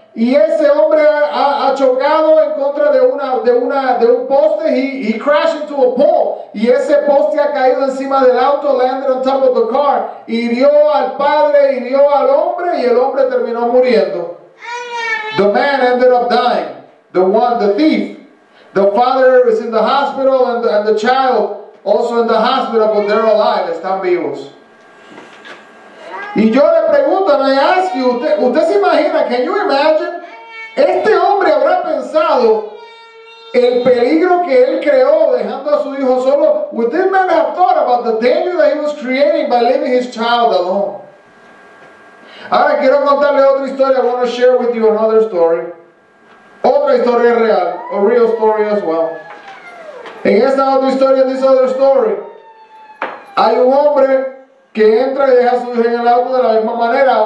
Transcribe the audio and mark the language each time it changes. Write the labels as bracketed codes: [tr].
[es] Y ese hombre ha chocado en contra de un poste, [en] he crashed into a pole. [es] Y ese poste ha caído encima del auto, [en] landed on top of the car. [es] Hirió al padre, hirió al hombre, y el hombre terminó muriendo. [en] The man ended up dying, the thief. The father is in the hospital, and the child also in the hospital, but they're alive, [es] están vivos. Y yo le pregunto, [en] and I ask you, [es] ¿usted se imagina, [en] can you imagine? [es] Este hombre habrá pensado el peligro que él creó dejando a su hijo solo. [en] Would this man have thought about the danger that he was creating by leaving his child alone? [es] Ahora quiero contarle otra historia. [en] I want to share with you another story. [es] Otra historia real, [en] a real story as well. [es] En esta otra historia, [en] this other story, [es] hay un hombre que entra y deja a su hijo en el auto de la misma manera.